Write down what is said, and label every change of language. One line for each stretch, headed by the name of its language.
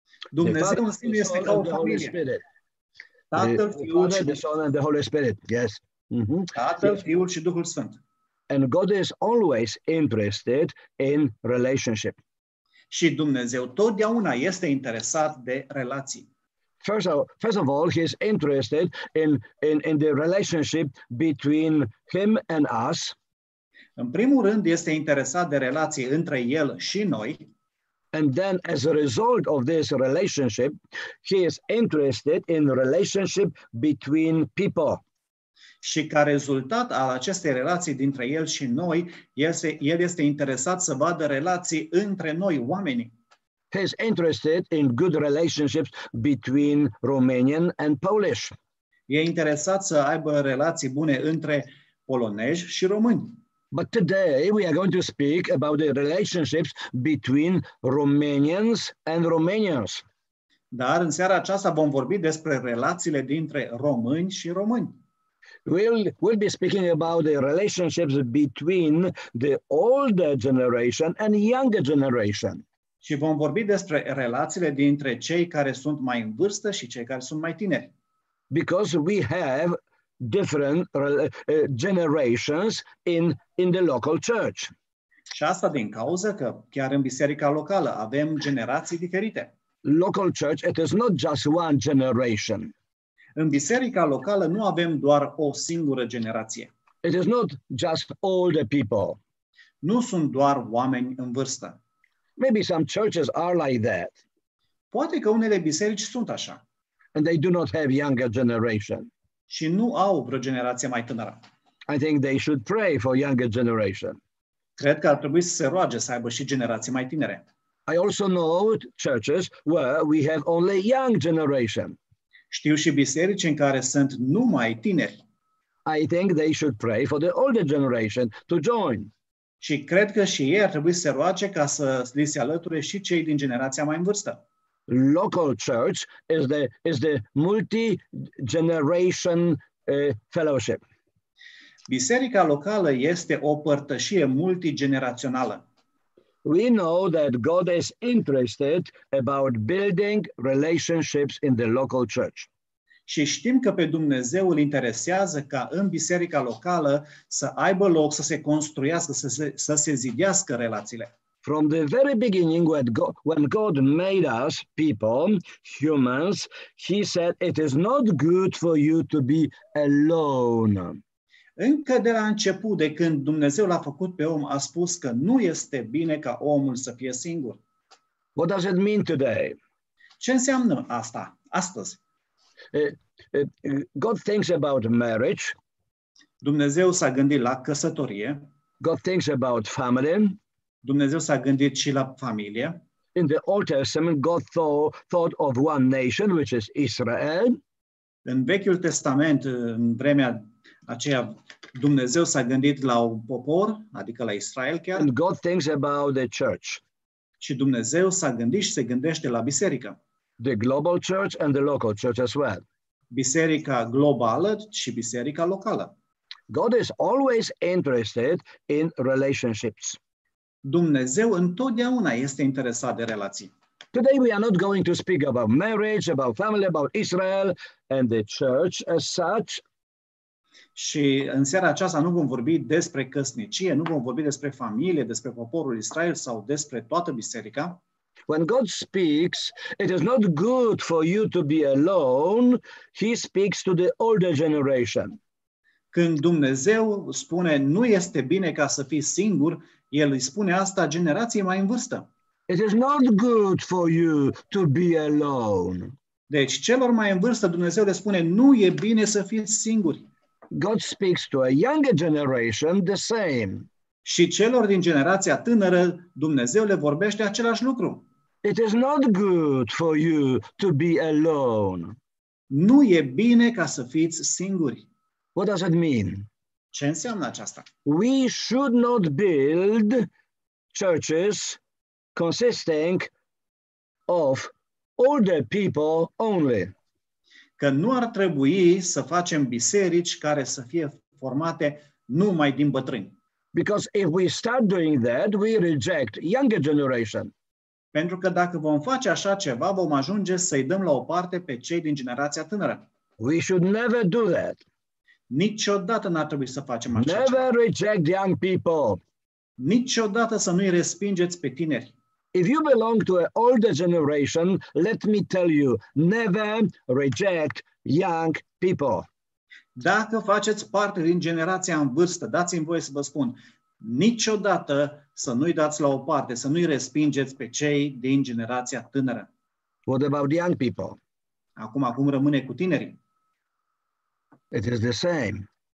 Romanian: Dumnezeu în sine este ca o familie. Tatăl, Fiul și
English: the Son and the Holy Spirit. Yes. Mm-hmm.
Romanian: Tatăl, Fiul și Duhul Sfânt.
English: And God is always interested in relationship.
Romanian: Și Dumnezeu totdeauna este interesat de relații.
English: First of all, he is interested in the relationship between him and us.
Romanian: În primul rând este interesat de relații între el și noi.
English: And then as a result of this relationship, he is interested in relationship between people.
Romanian: Și ca rezultat al acestei relații dintre el și noi, el este interesat să vadă relații între noi, oamenii.
English: He is interested in good relationships between Romanian and Polish.
Romanian: E interesat să aibă relații bune între polonezi și români.
English: But today we are going to speak about the relationships between Romanians and Romanians.
Romanian: Dar în seara aceasta vom vorbi despre relațiile dintre români și români.
English: We'll be speaking about the relationships between the older generation and younger generation.
Romanian: Și vom vorbi despre relațiile dintre cei care sunt mai în vârstă și cei care sunt mai tineri.
English: Because we have different generations in the local church.
Romanian: Și asta din cauza că chiar în biserica locală avem generații diferite.
English: Local church, it is not just one generation.
Romanian: În biserica locală nu avem doar o singură generație.
English: It is not just older people.
Romanian: Nu sunt doar oameni în vârstă.
English: Maybe some churches are like that.
Romanian: Poate că unele biserici sunt așa.
English: And they do not have younger generation.
Romanian: Și nu au vreo generație mai tânără.
English: I think they should pray for younger generation.
Romanian: Cred că ar trebui să se roage să aibă și generații mai tinere.
English: I also know churches where we have only young generation.
Romanian: Știu și biserici în care sunt numai tineri.
English: I think they should pray for the older generation to join.
Romanian: Și cred că și ei ar trebui să se roage ca să li se alăture și cei din generația mai în vârstă.
English: Local church is the multi-generation fellowship.
Romanian: Biserica locală este o părtășie multigenerațională.
English: We know that God is interested about building relationships in the local church.
Romanian: Și știm că pe Dumnezeu îl interesează ca în biserica locală să aibă loc să se construiască, să se zidească relațiile.
English: From the very beginning, when God made us people, humans, he said, it is not good for you to be alone.
Romanian: Încă de la început, de când Dumnezeu l-a făcut pe om, a spus că nu este bine ca omul să fie singur.
English: What does it mean today?
Romanian: Ce înseamnă asta astăzi?
English: God thinks about marriage.
Romanian: Dumnezeu s-a gândit la căsătorie.
English: God thinks about family.
Romanian: Dumnezeu s-a gândit și la familie.
English: In the Old Testament, God thought of one nation, which is Israel.
Romanian: În Vechiul Testament, în vremea aceea, Dumnezeu s-a gândit la un popor, adică la Israel chiar.
English: And God thinks about the church.
Romanian: Și Dumnezeu s-a gândit și se gândește la biserică.
English: The global church and the local church as well.
Romanian: Biserica globală și biserica locală.
English: God is always interested in relationships.
Romanian: Dumnezeu întotdeauna este interesat de relații.
English: Today we are not going to speak about marriage, about family, about Israel and the church as such.
Romanian: Și în seara aceasta nu vom vorbi despre căsnicie, nu vom vorbi despre familie, despre poporul Israel sau despre toată biserica.
English: When God speaks, it is not good for you to be alone. He speaks to the older generation.
Romanian: Când Dumnezeu spune nu este bine ca să fii singur, el îi spune asta generației mai în vârstă.
English: It is not good for you to be alone.
Romanian: Deci celor mai în vârstă Dumnezeu le spune nu e bine să fii singuri.
English: God speaks to a younger generation the same.
Romanian: Și celor din generația tânără Dumnezeu le vorbește același lucru.
English: It is not good for you to be alone.
Romanian: Nu e bine ca să fiți singuri.
English: What does it mean?
Romanian: Ce înseamnă aceasta?
English: We should not build churches consisting of older people only.
Romanian: Că nu ar trebui să facem biserici care să fie formate numai din bătrâni.
English: Because if we start doing that, we reject younger generation.
Romanian: Pentru că dacă vom face așa ceva, vom ajunge să-i dăm la o parte pe cei din generația tânără.
English: We should never do that.
Romanian: Niciodată n-ar trebui să facem așa.
English: Never reject young people.
Romanian: Niciodată să nu-i respingeți pe tineri.
English: If you belong to an older generation, let me tell you, never reject young people.
Romanian: Dacă faceți parte din generația în vârstă, dați-mi voie să vă spun, niciodată să nu-i dați la o parte, să nu-i respingeți pe cei din generația tânără.
English: What about young people?
Romanian: Acum rămâne cu tinerii.
English: It is the same.